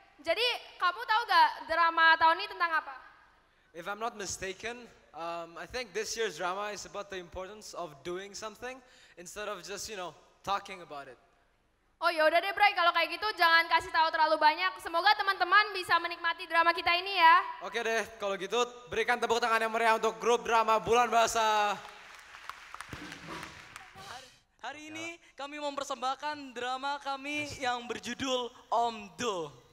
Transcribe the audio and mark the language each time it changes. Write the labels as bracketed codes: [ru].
[id] Jadi, kamu tahu gak drama tahun ini tentang apa? [en] If I'm not mistaken, I think this year's drama is about the importance of doing something instead of just, you know, talking about it. [id] Oh ya udah deh, Bray, kalau kayak gitu jangan kasih tahu terlalu banyak. Semoga teman-teman bisa menikmati drama kita ini ya. Oke deh, kalau gitu berikan tepuk tangan yang meriah untuk grup drama Bulan Bahasa. Hari ini kami mempersembahkan drama kami yang berjudul Om Do.